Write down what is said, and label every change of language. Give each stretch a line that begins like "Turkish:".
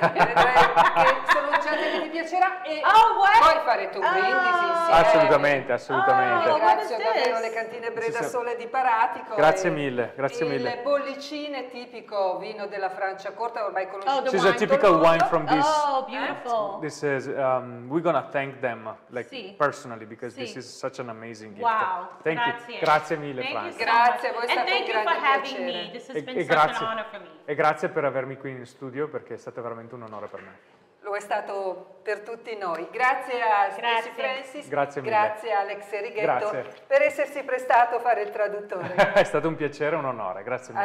Italian: Sono già che ti piacerà e puoi fare tu quindi sì. Assolutamente, assolutamente. Oh, grazie davvero le cantine Breda Sole di Paratico. Grazie mille. Le bollicine tipico vino della Francia Corta ormai conosciuto.
English: This is a typical wine from this. Oh, beautiful. This is we're gonna thank them personally because this is such an amazing gift. Wow. Thank you.
Italian: Grazie mille Francia. Grazie, voi state grandi.
English: Having me. This has been such an honor for me.
Italian: E grazie per avermi qui in studio perché è stato veramente un onore per me. Lo è stato per tutti noi. Grazie a Stacy Francis, grazie, mille. Grazie a Alex Righetto per essersi prestato a fare il traduttore. È stato un piacere e un onore, grazie mille.